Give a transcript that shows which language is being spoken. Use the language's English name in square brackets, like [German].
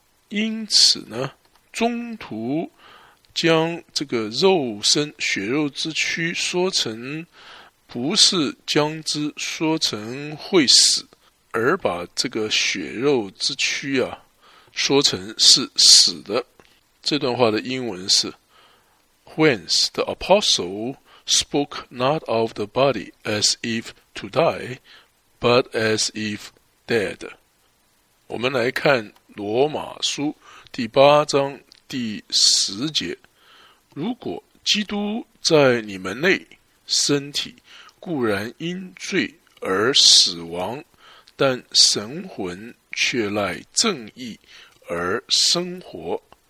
[Chinese] 因此呢，中途将这个肉身血肉之躯说成不是将之说成会死，而把这个血肉之躯啊说成是死的。这段话的英文是 [English] Whence the apostle spoke not of the body as if to die, but as if dead. [Chinese] 我们来看罗马书第八章第十节，如果基督在你们内，身体固然因罪而死亡，但神魂却赖正义而生活。